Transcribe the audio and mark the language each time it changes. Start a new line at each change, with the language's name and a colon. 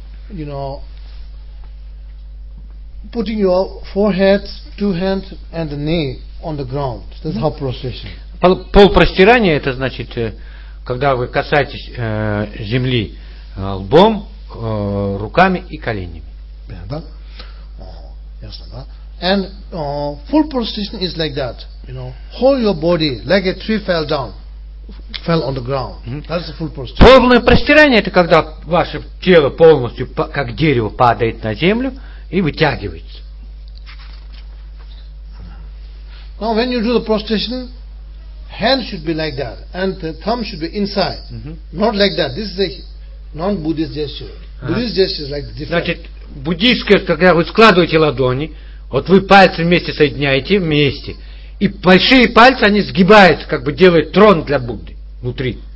English: You know, putting your forehead, two hands and the knee on the ground. That's half prostration.
Russian: Полпростирание это значит, когда вы касаетесь земли лбом, руками и коленями. Ясно, да?
English: And full prostration is like that. You know, hold your body like a tree fell down, fell on the ground. That's the full prostration.
Russian: Полное простирание это когда ваше тело полностью как дерево падает на землю и вытягивается.
English: Now when you do the prostration, hands should be like that and the thumb should be inside, not like that. This is a non-Buddhist gesture. Buddhist gesture is like different.
Russian: Значит, буддийское, когда вы складываете ладони, вот вы пальцы вместе соединяете вместе. И большие пальцы, они сгибаются, как бы делают трон для Будды внутри.